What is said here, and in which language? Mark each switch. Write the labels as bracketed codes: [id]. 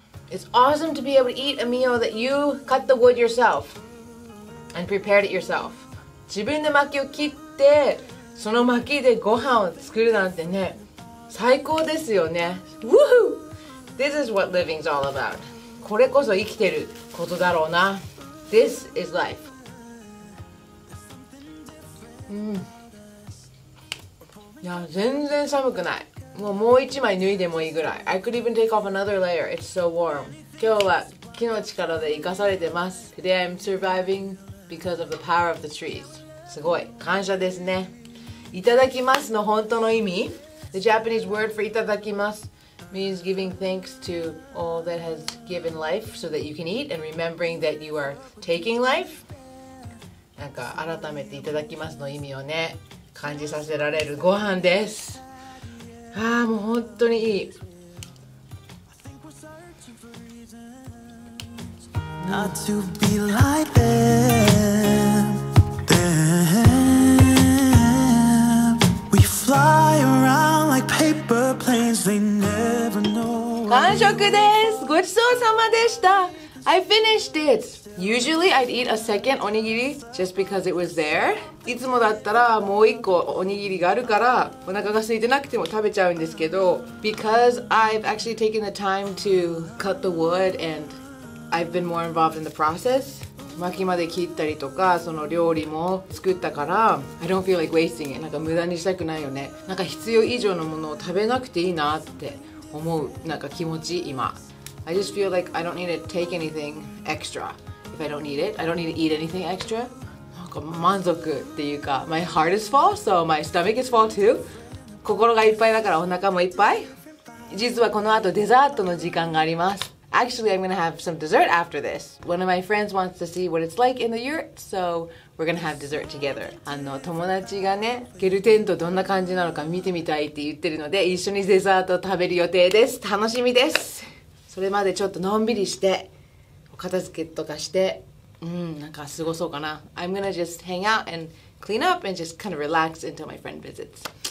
[en] It's awesome to be able to eat a meal that you cut the wood yourself and prepared it yourself. [ja] 自分で薪を切ってその薪でご飯を作るなんてね、最高ですよね。 [en] Woohoo! This is what living's all about. [ja] これこそ生きてることだろうな。 [en] This is life. [ja] いや、全然寒くない。もう一枚脱いでもいいぐらい。 [en] I could even take off another layer. It's so warm. [ja] 今日は木の力で生かされてます。 [en] Today I'm surviving because of the power of the trees. [ja] すごい。感謝ですね。いただきますの本当の意味? [en] The Japanese word for いただきます means giving thanks to all that has given life so that you can eat and remembering that you are taking life. [ja] なんか改めていただきますの意味をね、感じさせられるご飯です。ああ、もう本当にいい。 [en] Not to be like them, them. We fly around like paper planes, they never know. [ja] 完食です。ごちそうさまでした。 [en] I finished it. Usually I'd eat a second onigiri just because it was there. [ja] いつもだったらもう一個おにぎりがあるからお腹が空いてなくても食べちゃうんですけど。 [en] Because I've actually taken the time to cut the wood and I've been more involved in the process. [ja] 薪まで切ったりとかその料理も作ったから [en] I don't feel like wasting it. [ja] なんか無駄にしたくないよね。なんか必要以上のものを食べなくていいなって思うなんか気持ち今。 [en] I just feel like I don't need to take anything extra. If I don't need it, I don't need to eat anything extra. [ja] なんか満足っていうか、 [en] my heart is full, so my stomach is full too. [ja] 心がいっぱいだからお腹もいっぱい。実はこの後デザートの時間があります。 [en] Actually, I'm gonna have some dessert after this. One of my friends wants to see what it's like in the yurt, so we're gonna have dessert together. [ja] あの友達がね、ゲルテントどんな感じなのか見てみたいって言ってるので、一緒にデザート食べる予定です。楽しみです。それまでちょっとのんびりして、片付けとかして、なんか過ごそうかな。 [en] I'm gonna just hang out and clean up and just kind of relax until my friend visits.